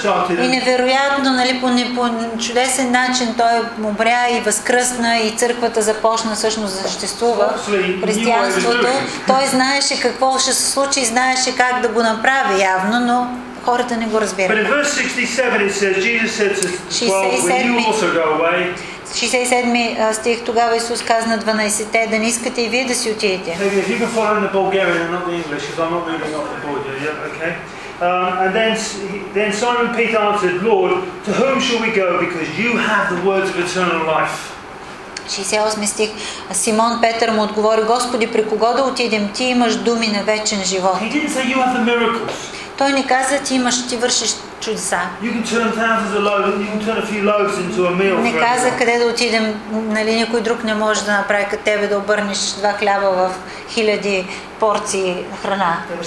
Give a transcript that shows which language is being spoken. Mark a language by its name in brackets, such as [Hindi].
[Bulgarian] И невероятно, нали, по чудесен начин той умря и възкръсна и църквата започна всъщност да съществува. Християнството. Той знаеше какво ще се случи, знаеше как да го направи явно, но хората не го разбират. [English] But in verse 67 it says, Jesus said to 12, will you also go away? [Bulgarian] 67 стих, тогава Исус казва на 12-те, да не искате и вие да си отидете. [English] If you can follow in the Bulgarian and not the English, because I'm not moving off the border. Yeah, okay. And then Simon Peter answered, "Lord, to whom shall we go? Because you have the words of eternal life." [Bulgarian] 68 стих. Симон Петър му отговори, "Господи, при кого да отидем? Ти имаш думи на вечен живот." [English] He didn't say you have the miracles. [Bulgarian] Той не каза, ти вършиш чудеса. [English] You can turn thousands of loaves, you can turn a few loaves into a meal. [Bulgarian] Не каза къде да отидем, нали, никой друг не може да направи като тебе да обърнеш два хляба в хиляди порции храна.